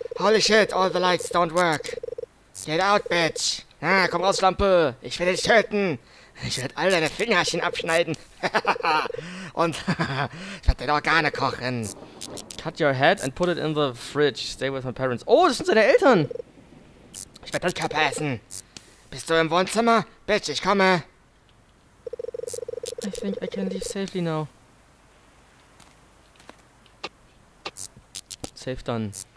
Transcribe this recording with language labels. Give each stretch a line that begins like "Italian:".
English: Holy shit, all the lights don't work. Get out, bitch.
German: Na, komm raus, Schlampe. Ich will dich töten. Ich werde all deine Fingerchen abschneiden. Und ich werde deine Organe kochen.
English: Cut your head and put it in the fridge. Stay with my parents.
German: Oh, das sind seine Eltern. Ich werde das Körper essen. Bist du im Wohnzimmer? Bitch, ich komme.
English: I think I can leave safely now. Safe done.